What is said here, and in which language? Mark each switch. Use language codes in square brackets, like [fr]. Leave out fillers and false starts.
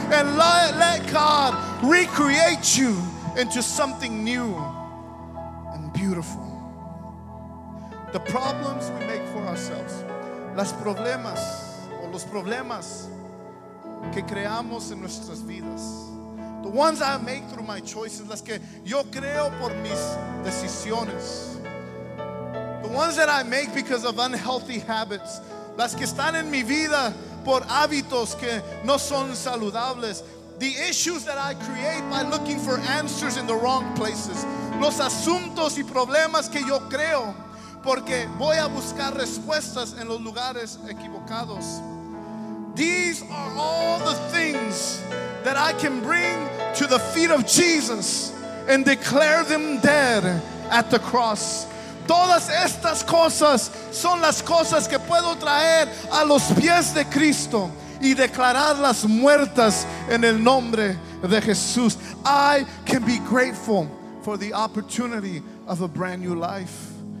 [en] And let God recreate you into something new and beautiful. The problems we make for ourselves. [es] Las problemas o los problemas que creamos en nuestras vidas. [en] The ones I make through my choices, [es] las que yo creo por mis decisiones. [en] The ones that I make because of unhealthy habits, [es] las que están en mi vida por hábitos que no son saludables. [en] The issues that I create by looking for answers in the wrong places. [es] Los asuntos y problemas que yo creo porque voy a buscar respuestas en los lugares equivocados. [en] These are all the things that I can bring to the feet of Jesus and declare them dead at the cross. [es] Todas estas cosas son las cosas que puedo traer a los pies de Cristo y declararlas muertas en el nombre de Jesús. [en] I can be grateful for the opportunity of a brand new life.